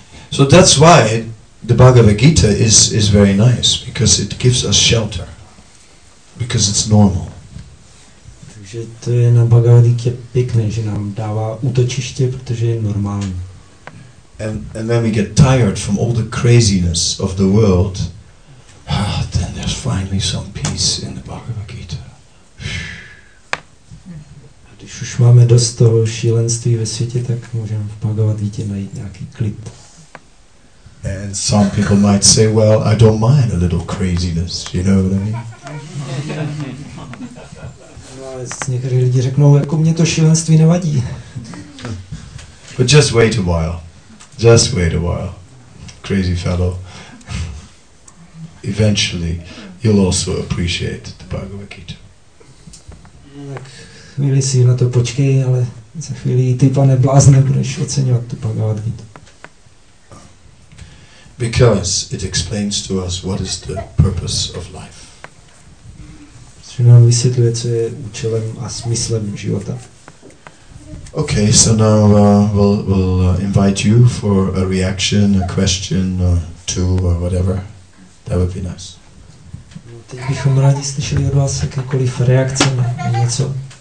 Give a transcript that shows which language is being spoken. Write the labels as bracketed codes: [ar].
[en] So that's why the Bhagavad Gita is very nice, because it gives us shelter, because it's normal. [cs] Takže to je na Bhagavad Gita pěkné, že nám dává útočiště, protože je normální. [en] And when we get tired from all the craziness of the world, then there's finally some peace in the Bhagavad Gita. [cs] A Když už máme dost toho šílenství ve světě, tak můžeme v Bhagavad Gītě najít nějaký klid. [en] And some people might say, well, I don't mind a little craziness, you know what I mean? [cs] Někteří lidi řeknou, jako mě to šílenství nevadí. [en] But just wait a while. Just wait a while, crazy fellow. Eventually, you'll also appreciate the Bhagavad Gita. [cs] No, tak chvíli si na to počkej, ale za chvíli ty, pane blázne, budeš oceňovat tu Bhagavad Gita. [en] Because it explains to us what is the purpose of life. [cs] Že nám vysvětluje, co je účelem a smyslem života. [en] Okay, so now we'll invite you for a reaction, a question or two or whatever. That would be nice. [cs] No, teď bychom rádi slyšeli od vás jakékoliv reakce na něco.